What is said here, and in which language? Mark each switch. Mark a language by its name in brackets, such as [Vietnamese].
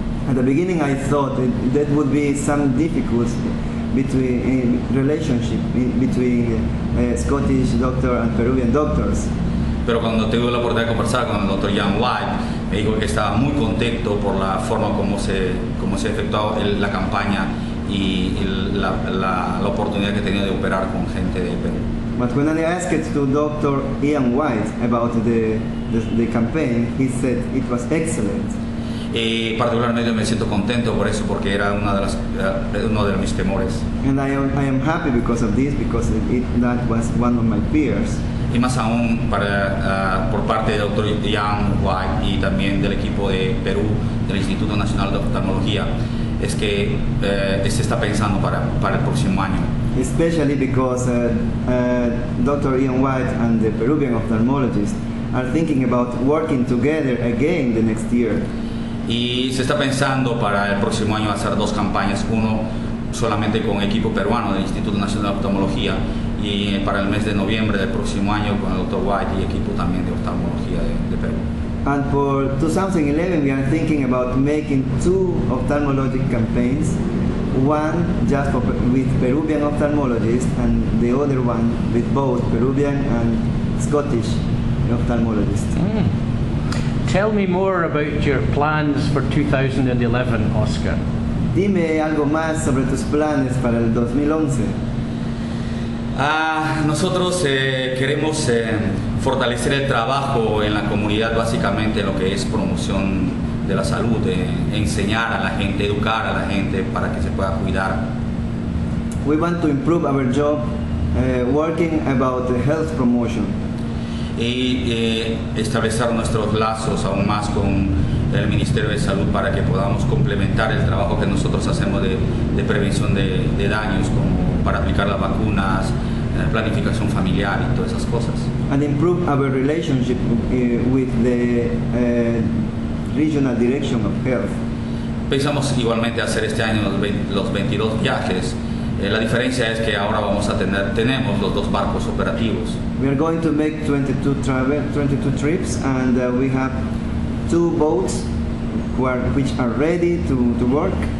[English] At the beginning I thought that would be some difficulties between relationship between Scottish doctor and Peruvian doctors. [Spanish] Pero cuando tuve la oportunidad de conversar con el Dr. Jan White, me dijo que estaba muy contento por la forma como se efectuó la campaña y la oportunidad que tenía de operar con gente de Perú. [English] But when I asked to Dr. Ian White about the campaign, he said it was excellent. [Spanish] Y particularmente me siento contento por eso, porque era uno de mis temores. [English] And I am happy because of this, because that was one of my fears. [Spanish] Y más aún por parte del Dr. Ian White y también del equipo de Perú del Instituto Nacional de Oftalmología. Es que se está pensando para el próximo año. [English] Especially because Dr. Ian White and the Peruvian ophthalmologists are thinking about working together again the next year. [Spanish] Y se está pensando para el próximo año hacer dos campañas, uno solamente con equipo peruano del Instituto Nacional de Oftalmología y para el mes de noviembre del próximo año con el Dr. White y equipo también de oftalmología de Perú. [English] And for 2011, we are thinking about making two ophthalmologic campaigns, one just with Peruvian ophthalmologists and the other one with both Peruvian and Scottish ophthalmologists. Mm. Tell me more about your plans for 2011, Oscar. [Spanish] Dime algo más sobre tus planes para el 2011. Nosotros queremos fortalecer el trabajo en la comunidad, básicamente lo que es promoción de la salud, enseñar a la gente, educar a la gente para que se pueda cuidar. [English] We want to improve our job working about the health promotion. [Spanish] Y establecer nuestros lazos aún más con el Ministerio de Salud para que podamos complementar el trabajo que nosotros hacemos de prevención de daños, como para aplicar las vacunas, planificación familiar y todas esas cosas. [English] And improve our relationship with the regional direction of health. [Spanish] Pensamos igualmente hacer este año los 22 viajes. La diferencia es que ahora tenemos los dos barcos operativos. [English] We are going to make 22 trips, and we have two boats which are ready to work.